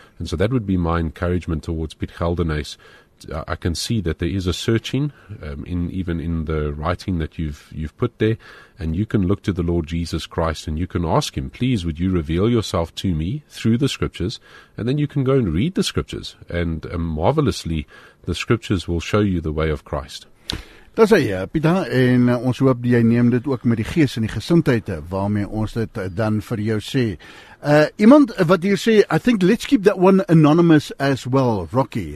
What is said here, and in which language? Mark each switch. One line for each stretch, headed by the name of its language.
English: And so that would be my encouragement towards Piet Gellenhuis. I can see that there is a searching, even in the writing that you've put there, and you can look to the Lord Jesus Christ and you can ask him, please would you reveal yourself to me through the scriptures, and then you can go and read the scriptures, and marvelously the scriptures will show you the way of Christ.
Afrikaans: Dat sê jy, Pieta, en ons hoop jy neem dit ook met die gees en die gesindheid waarmee ons dit dan vir jou sê. Iemand wat hier sê,
English: I think let's keep that one anonymous as well, Rocky.